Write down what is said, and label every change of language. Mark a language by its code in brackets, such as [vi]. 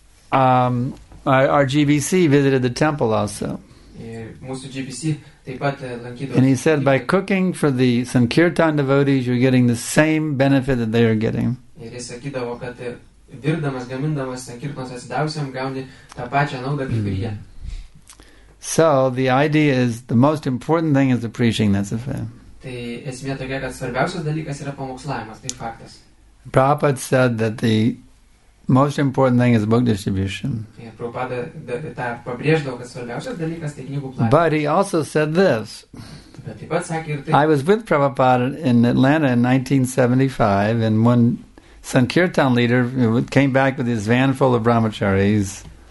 [en] Our GBC visited the temple also. And he said, by cooking for the Sankirtan devotees, you're getting the same benefit that they are getting. [lt] Ir jis sakydavo, kad dirbdamas, gamindamas sankirtos atsidavusiam, gauni tą pačią naudą kaip ir jie. [en] So, the idea is, the most important thing is the preaching, that's a fact. [lt] Tai esmė tokia, kad svarbiausias dalykas yra pamokslavimas, tai faktas. [en] Prabhupada said that the most important thing is book distribution. [lt] Prabhupada tą pabrėždavo, kad svarbiausias dalykas tai knygų platinimas. [en] But he also said this. [lt] Bet taip pat sakė ir tai. [en] I was with Prabhupada in Atlanta in 1975 and one Sankirtan leader came back with his van full of brahmacharis.